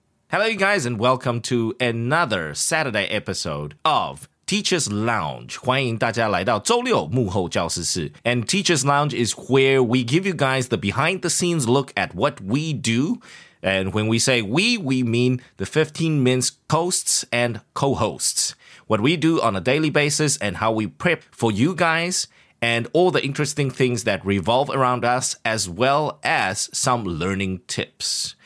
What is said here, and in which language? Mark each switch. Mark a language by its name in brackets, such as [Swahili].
[English] Hello, you guys, and welcome to another Saturday episode of Teacher's Lounge. [Chinese] 欢迎大家来到周六幕后教室室。 [English] And Teacher's Lounge is where we give you guys the behind the scenes look at what we do. And when we say we mean the 15 Minutes hosts and co-hosts. What we do on a daily basis and how we prep for you guys and all the interesting things that revolve around us as well as some learning tips.